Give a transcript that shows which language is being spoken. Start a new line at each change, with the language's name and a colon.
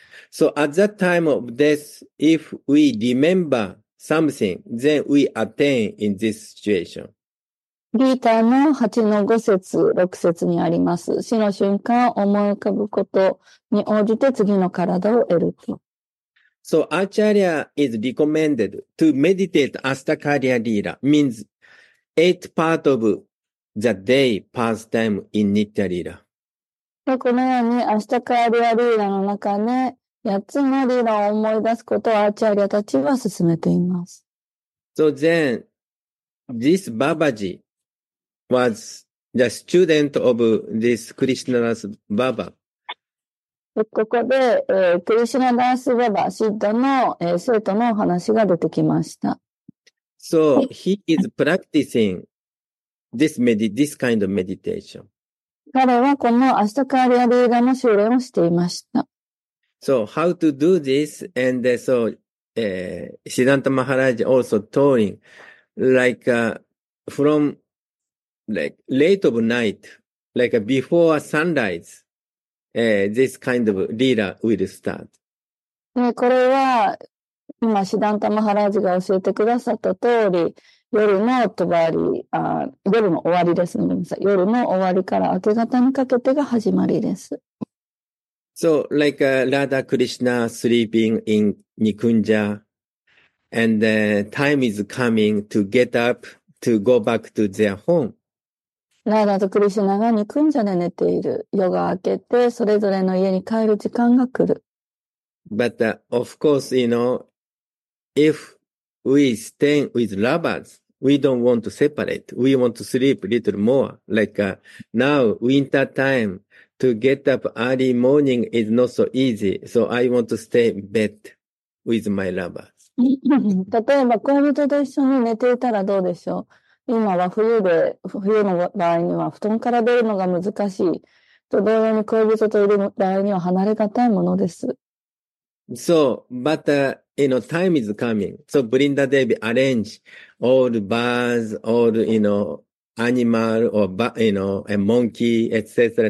English: So, at that time of death, if we remember something, then we attain in this situation.
Japanese: Gita の8の5節、6節にあります。死の瞬間を思い浮かぶことに応じて次の体を得ると。
English: So, Acharya is recommended to meditate Astakarya Lila, means 8 part of the day pastime in Nitya Lila.
Japanese: このように、Astakarya Lila の中で、8つのリラを思い出すことを Acharya たちは進めています。
English: So then, this Babaji was the student of this Krishnadas Baba.
Japanese: ここで、クリシナダースババシッダの、生徒の話が出てきました。
English: So, he is practicing this kind of meditation.
Japanese: 彼はこのアシタカーリアリーガの修練をしていました。
English: So, how to do this? And so, Siddhanta Maharaj also told him, like, from, like, late of night, like, before sunrise,this kind of lila will start.
Japanese: これは今シダンタマハラジが教えてくださった通り、夜のとばり、夜の終わりです。夜の終わりから明け方にかけてが始まりです。
English: So, like, Radha Krishna sleeping in Nikunja, and time is coming to get up to go back to their home.
Japanese: ラダとクリシュナがニクンジャで寝ている。夜が明けて、それぞれの家に帰る時間が来る。
English: But, of course, you know, if we stay with lovers, we don't want to separate. We want to sleep a little more. Like, now, winter time, to get up early morning is not so easy. So I want to stay in bed with my lovers.
Japanese: 例えば、恋人と一緒に寝ていたらどうでしょう？今は冬で、冬の場合には布団から出るのが難しい。と同様に恋人といる場合には離れがたいものです。
English: So, but, you know, time is coming. So, Brinda Devi arrange all birds, all, you know, animal, or, you know, a monkey, etc.